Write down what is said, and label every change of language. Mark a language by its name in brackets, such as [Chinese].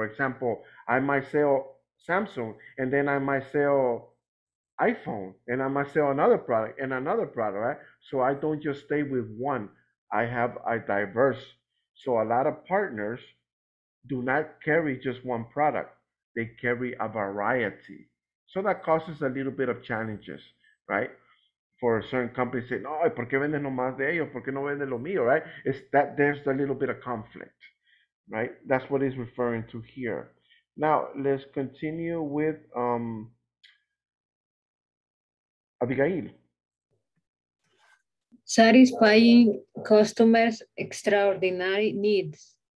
[English] For example, I might sell Samsung, and then I might sell iPhone, and I might sell another product and another product, right? So I don't just stay with one. I have a diverse. So a lot of partners do not carry just one product. They carry a variety. So that causes a little bit of challenges, right? For a certain company say, [Spanish] no, ¿por qué vende nomás de ellos? ¿Por qué no vende lo mío, right? [English] It's that there's a little bit of conflict, right? That's what he's referring to here. Now, let's continue with Abigail. Satisfying customers' extraordinary needs.